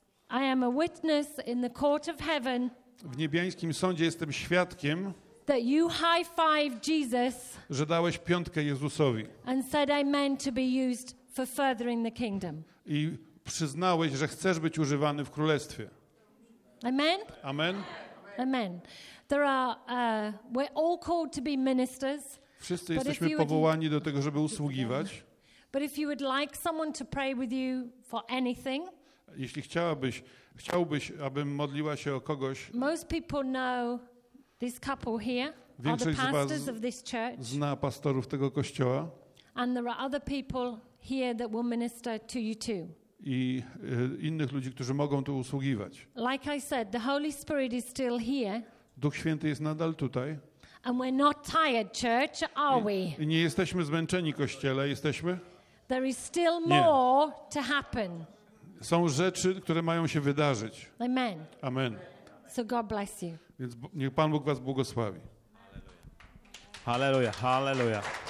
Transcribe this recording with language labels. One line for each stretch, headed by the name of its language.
English: I am a witness in the court of heaven.
Polish: W niebiańskim sądzie jestem świadkiem.
English: That you high five Jesus.
Polish: Że dałeś piątkę Jezusowi.
English: And said amen to be used for furthering the kingdom.
Polish: I przyznałeś, że chcesz być używany w królestwie.
English: Amen.
Polish: Amen.
English: Amen. There are we're all called to be ministers.
Polish: Wszyscy jesteśmy powołani do tego, żeby usługiwać.
English: But if you would like someone to pray with you for anything.
Polish: Jeśli chciałbyś, abym modliła się o kogoś.
English: Most people know this couple here.
Polish: Większość
English: are the pastors of this church.
Polish: Zna pastorów tego kościoła.
English: And there are other people here that will minister to you too.
Polish: I innych ludzi, którzy mogą tu usługiwać.
English: Like I said, the Holy Spirit is still here.
Polish: Duch Święty jest nadal tutaj.
English: And we're not tired, church, are we?
Polish: Nie jesteśmy zmęczeni, kościele, jesteśmy?
English: There is still more to happen.
Polish: Są rzeczy, które mają się wydarzyć.
English: Amen.
Polish: Amen.
English: So God bless you.
Polish: Więc niech Pan Bóg was błogosławi.
English: Hallelujah. Hallelujah.